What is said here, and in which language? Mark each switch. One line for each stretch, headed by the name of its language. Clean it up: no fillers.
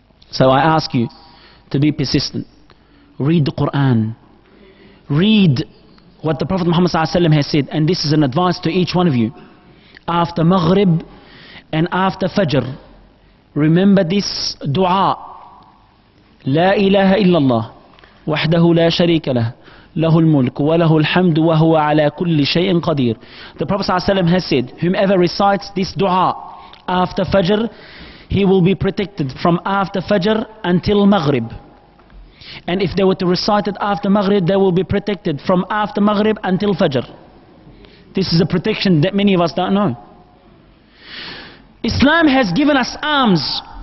English: So I ask you to be persistent. Read the Quran. Read what the Prophet Muhammad sallallahu alaihi wasallam has said. And this is an advice to each one of you. After Maghrib and after Fajr, remember this dua.
Arabic: La ilaha illallah. Wahdahu la sharika lah. له الملك وله الحمد وهو على كل شيء قدير.
English: The Prophet ﷺ has said, whomever recites this dua after Fajr, he will be protected from after Fajr until Maghrib. And if they were to recite it after Maghrib, they will be protected from after Maghrib until Fajr. This is a protection that many of us don't know. Islam has given us arms.